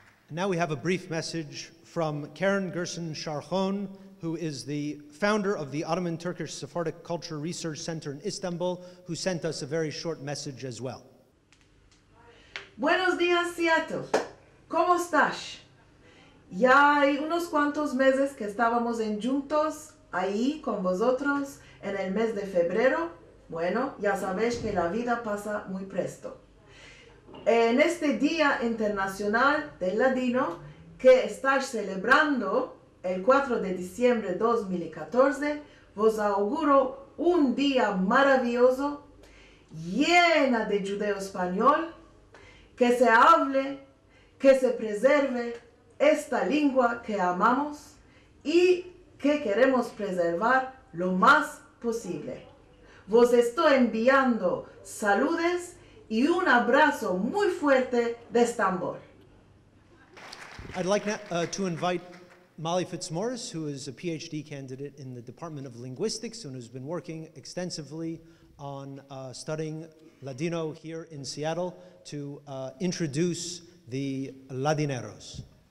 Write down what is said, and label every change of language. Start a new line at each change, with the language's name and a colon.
English: Now we have a brief message from Karen Gerson Sharkhon, who is the founder of the Ottoman Turkish Sephardic Culture Research Center in Istanbul, who sent us a very short message as well.
Ladino: Buenos días, Seattle. ¿Cómo estás? Ya hay unos cuantos meses que estábamos en juntos ahí con vosotros en el mes de febrero. Bueno, ya sabéis que la vida pasa muy presto. En este Día Internacional del Ladino, que estáis celebrando el 4 de diciembre de 2014, vos auguro un día maravilloso, llena de judeo-español, que se hable, que se preserve esta lengua que amamos y que queremos preservar lo más posible. Vos estoy enviando saludos y un abrazo muy fuerte de Estambul.
English: I'd like to invite Molly Fitzmaurice, who is a PhD candidate in the Department of Linguistics and who's been working extensively on studying Ladino here in Seattle, to introduce the Ladineros.